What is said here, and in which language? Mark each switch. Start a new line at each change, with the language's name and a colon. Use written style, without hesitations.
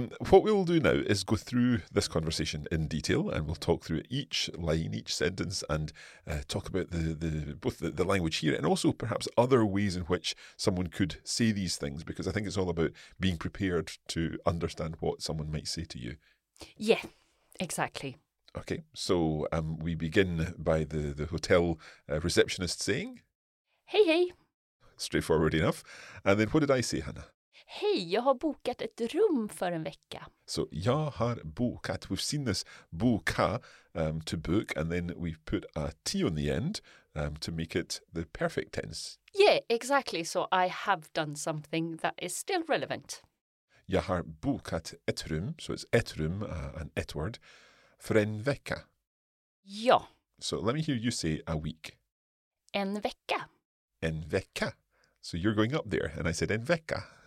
English: What we'll do now is go through this conversation in detail, and we'll talk through each line, each sentence, and talk about the language here, and also perhaps other ways in which someone could say these things, because I think it's all about being prepared to understand what someone might say to you. Yeah, exactly. Okay, so we begin by the hotel receptionist saying, "Hey, hey." Straightforward enough. And then what did I say, Hanna?
Swedish: Hej, jag har bokat ett rum för en vecka. So, jag har bokat.
English: We've seen this boka, to book, and then we've put a T on the end to make it the perfect tense. Yeah, exactly. So, I have done something that is still relevant.
Swedish: Jag har bokat ett rum,
English: so it's
Swedish: ett rum, an ett word, för en vecka. Ja.
English: So, let me hear you say a week.
Swedish: En vecka. En vecka.
English: So, you're going up there, and I said
Swedish: en vecka.